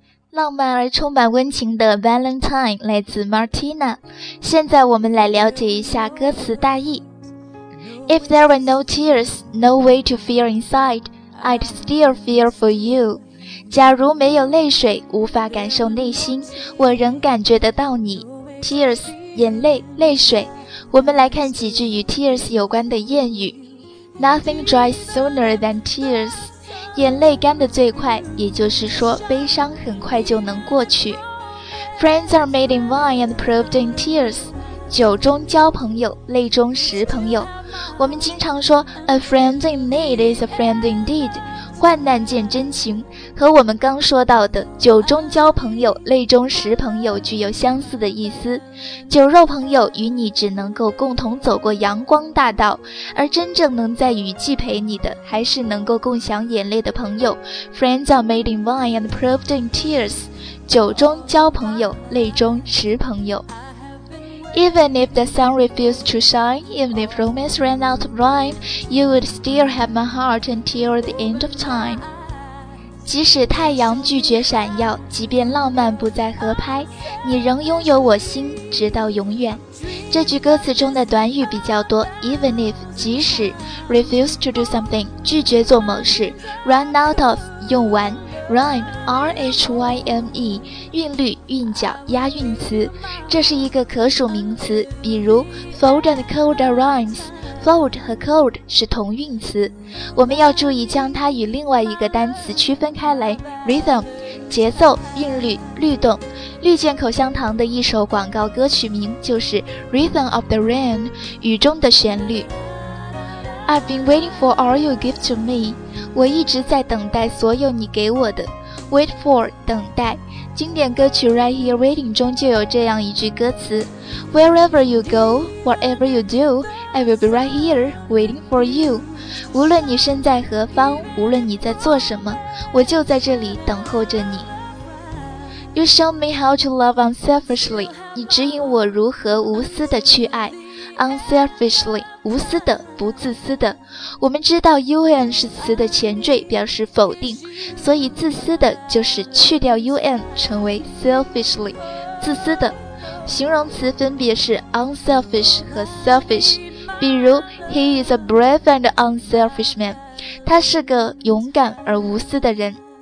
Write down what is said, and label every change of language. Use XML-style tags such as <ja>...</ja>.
<zh>浪漫而充满温情的 Valentine 来自 Martina。现在我们来了解一下歌词大意。</zh> <en>If there were no tears, no way to feel inside, I'd still feel for you.</en> <zh>假如没有泪水，无法感受内心，我仍感觉得到你。 Tears, 眼泪，泪水。我们来看几句与 tears 有关的谚语。</zh> <en>Nothing dries sooner than tears,</en> <zh>眼泪干得最快，也就是说悲伤很快就能过去。</zh> <en>Friends are made in wine and proved in tears,</en> <zh>酒中交朋友，泪中识朋友。我们经常说</zh> <en>A friend in need is a friend indeed,</en> <zh>患难见真情，和我们刚说到的酒中交朋友，泪中识朋友具有相似的意思。酒肉朋友与你只能够共同走过阳光大道，而真正能在雨季陪你的还是能够共享眼泪的朋友。</zh> <en>Friends are made in wine and proved in tears,</en> <zh>酒中交朋友，泪中识朋友。</zh> <en>Even if the sun refused to shine, even if romance ran out of rhyme, you would still have my heart until the end of time.</en> <zh>即使太阳拒绝闪耀，即便浪漫不再合拍，你仍拥有我心直到永远。这句歌词中的短语比较多， even if 即使， refuse to do something 拒绝做某事， run out of 用完， rhyme R-H-Y-M-E 韵律韵脚押韵词，这是一个可数名词，比如</zh> <en>fold and cold are rhymes。</en> <zh>Fold 和 cold 是同韵词，我们要注意将它与另外一个单词区分开来。 Rhythm 节奏、韵律、律动。绿箭口香糖的一首广告歌曲名就是 Rhythm of the Rain， 雨中的旋律。</zh> <en>I've been waiting for all you give to me，</en> <zh>我一直在等待所有你给我的。</zh> <en>Wait for</en> <zh>等待。经典歌曲</zh> <en>Right Here Waiting</en> <zh>中就有这样一句歌词</zh> <en>Wherever you go, whatever you do, I will be right here, waiting for you.</en> <zh>无论你身在何方，无论你在做什么，我就在这里等候着你。</zh> <en>You show me how to love unselfishly.</en> <zh>你指引我如何无私的去爱。Unselfishly 无私的，不自私的。我们知道 un 是词的前缀，表示否定，所以自私的就是去掉 un 成为 selfishly 自私的。形容词分别是 unselfish 和 selfish， 比如</zh> <en>he is a brave and unselfish man，</en> <zh>他是个勇敢而无私的人。</zh>